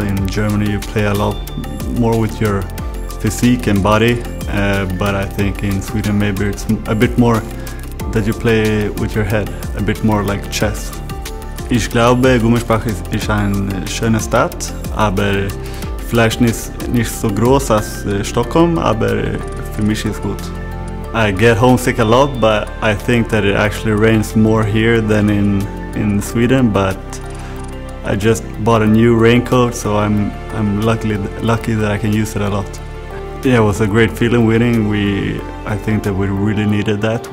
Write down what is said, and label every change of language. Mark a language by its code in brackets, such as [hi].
[en] In Germany you play a lot more with your physique and body, but I think in Sweden maybe it's a bit more that you play with your head, a bit more like chess. [de] Ich glaube, Gummersbach ist eine schöne Stadt, aber vielleicht nicht so groß als Stockholm, aber für mich ist gut. [en] I get homesick a lot, but I think that it actually rains more here than in Sweden, but I just bought a new raincoat, so I'm lucky that I can use it a lot. Yeah, it was a great feeling winning. I think that we really needed that.